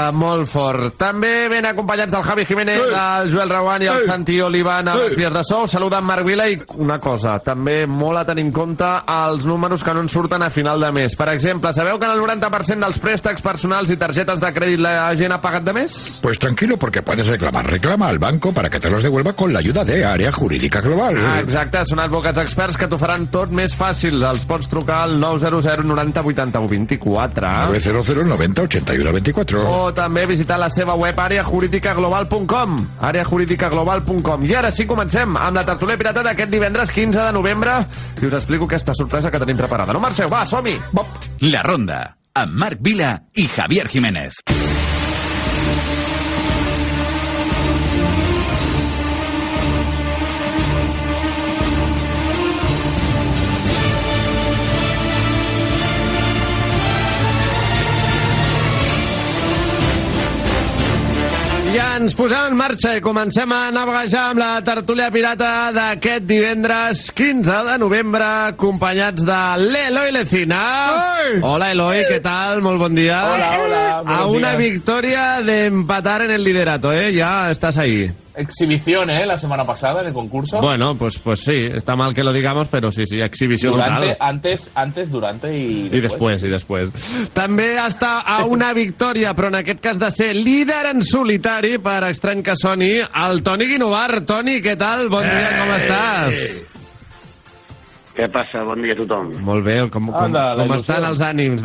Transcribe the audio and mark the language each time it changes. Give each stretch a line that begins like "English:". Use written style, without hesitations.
Catalan: Molt fort. També ben acompanyats del Javi Jiménez, del Joel Rauan i el Santi Olivan a les Vies de Sou. Saluda en Marc Vila i... una cosa, també molt a tenir en compte els números que no ens surten a final de mes. Per exemple, sabeu que en el 90% dels préstecs personals i targetes de crèdit la gent ha pagat de més?
Spanish: Pues tranquilo, porque puedes reclamar al banco para que te los devuelva con la ayuda de Área Jurídica Global.
Catalan: Exacte, són advocats experts que t'ho faran tot més fàcil. Els pots trucar al 900 90 81 24, 900 90 81 24, o també visitar la seva web areajuridicaglobal.com, areajuridicaglobal.com. I ara sí, comencem amb la tertulia pirata d'aquest divendres 15 de novembre i us explico aquesta sorpresa que tenim preparada. No marxeu, va, som-hi! Bop. La Ronda, amb Marc Vila i Javier Jiménez. Ens posem en marxa i comencem a navegar amb la tertúlia pirata d'aquest divendres 15 de novembre, acompanyats de l'Eloi Lecina. Hola, Eloi, què tal? Molt bon dia. Hola, bon a una dia. Victòria d'empatar en el liderato, ja estàs ahí.
Spanish: Exhibición, la semana pasada en el concurso. Bueno, pues sí, está mal que lo digamos, pero sí, exhibición. Antes, durante y después.
Catalan: També està a una victòria, però en aquest cas de ser líder en solitari, per estrany que soni, el Toni Guinovart. Toni, què tal? Bon dia, com estàs? Què passa? Bon dia a tothom. Molt bé, com estan els ànims?